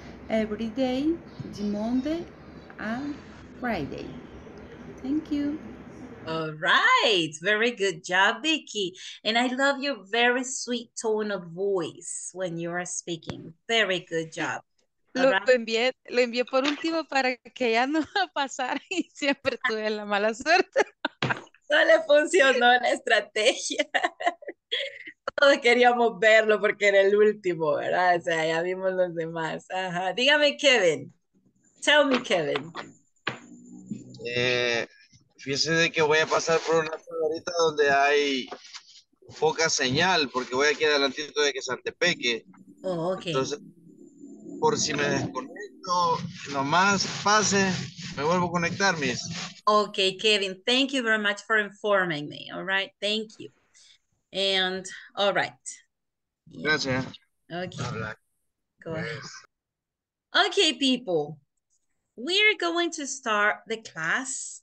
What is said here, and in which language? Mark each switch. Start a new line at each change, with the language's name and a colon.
English: every day, the Monday and Friday. Thank you. All right, very good job, Vicky. And I love your very sweet tone of voice when you are speaking. Very good job. All
Spanish: Lo
English: right.
Spanish: envié por último para que ya no pasara y siempre tuve la mala suerte. No le funcionó la estrategia. Todos queríamos verlo porque era el último, ¿verdad? O sea, ya vimos los demás. Dígame, Kevin.
English: Tell me, Kevin.
Spanish: Fíjese de que voy a pasar por una zona ahorita donde hay poca señal, porque voy aquí adelantito de Quezaltepeque.
English: Oh, okay.
Spanish: Entonces, por si me desconecto, nomás pase, me vuelvo a conectar, mis.
English: Okay, Kevin, thank you very much for informing me. All right, thank you. And all right. Yeah.
Spanish: Gracias.
English: Okay.
Spanish: Habla.
English: Go ahead.
Spanish: Pues.
English: Okay, people. We're going to start the class.